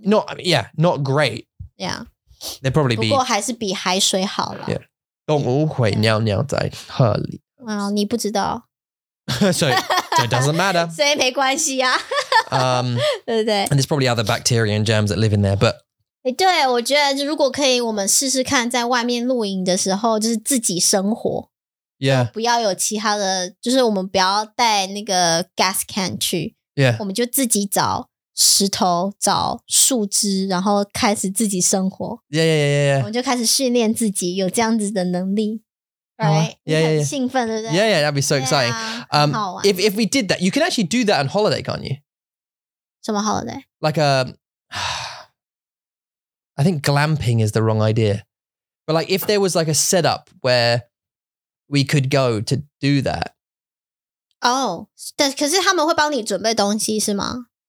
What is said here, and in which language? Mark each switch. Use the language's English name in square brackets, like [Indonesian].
[English] Not great. Yeah. They'd probably be. [Chinese] 不过还是比海水好了。 Yeah. 动物会尿尿在河里。 Wow, 你不知道。 [English] So it doesn't matter. [Chinese] 所以没关系啊。对不对 [English] ？And there's probably other bacteria and germs that live in there, but. [Chinese] 欸、对，我觉得如果可以，我们试试看在外面露营的时候，就是自己生火， [English] yeah. [Chinese] 不要有其他的，就是我们不要带那个 gas can 去， [English] yeah. [Chinese] 我们就自己找石头、找树枝，然后开始自己生火。 [English] Yeah. [Chinese] 我们就开始训练自己有这样子的能力。 [English] Yeah, [Chinese] 很兴奋，对不对 [English] ？Yeah, that'd be so exciting. Yeah, if we did that, you can actually do that on holiday, can't you? [Chinese] 什么 holiday? [English] Like a I think glamping is the wrong idea. But like, if there was like a setup where we could go to do that. [Chinese] Oh, 但可是他们会帮你准备东西是吗？